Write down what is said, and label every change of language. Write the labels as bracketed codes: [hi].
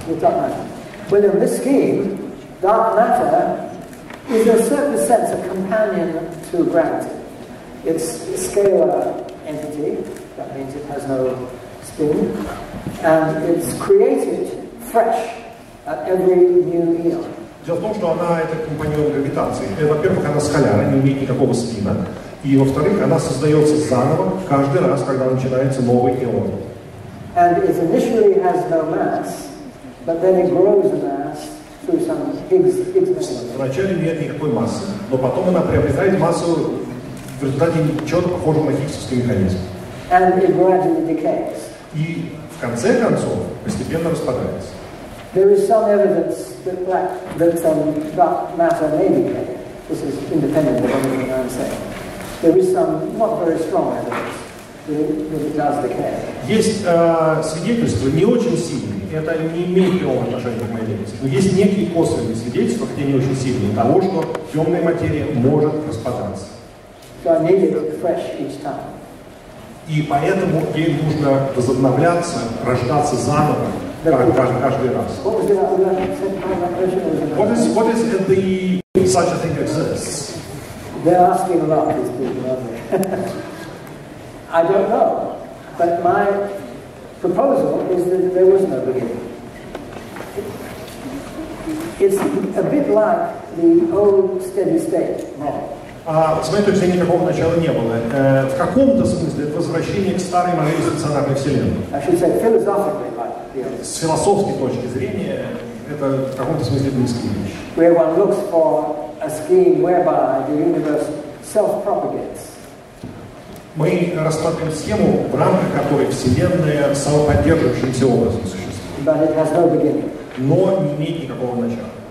[en] What's dark matter? Well, in this scheme, dark matter is in a certain sense a companion to gravity. It's a scalar entity, that means it has no spin, and it's created fresh at every new eon. [ru] Дело в том, что она — это компаньон гравитации. Во-первых, она скалярная, не имеет никакого спина. И во-вторых, она создается заново каждый раз, когда начинается новый эон. [en] And it initially has no mass, but then it grows a mass through some Higgs. [ru] Вначале нет никакой массы, но потом она приобретает массу в результате чего-то похожего на Хиггсовский механизм. [en] And it gradually decays. [ru] И в конце концов постепенно распадается. [en] There is some evidence that black, that some dark matter may decay. This is independent of anything I'm saying. There is some not very strong evidence that it does decay. [ru] Есть свидетельства, не очень сильные. Это не имеет прямого отношения к моей деятельности. Но есть некие косвенные свидетельства, хотя не очень сильные, того, что темная материя может распадаться. [en] So I need it fresh each time. [ru] И поэтому ей нужно возобновляться, рождаться заново. Каждый раз. [en] What is such a thing exists? They're asking a lot, these people, aren't they? I don't know. But my proposal is that there was no beginning. It's a bit like the old steady state model. [ru] С моей точки зрения, никакого начала не было. В каком-то смысле это возвращение к старой модели стационарной Вселенной. [en] I should say philosophically. [ru] С философской точки зрения, это в каком-то смысле близкие вещи. [en] Where one looks for a scheme whereby the universe self-propagates. [ru] Мы рассматриваем схему, в рамках которой Вселенная самоподдерживающимся образом существует. [en] But it has no beginning. [ru] Но не имеет никакого начала.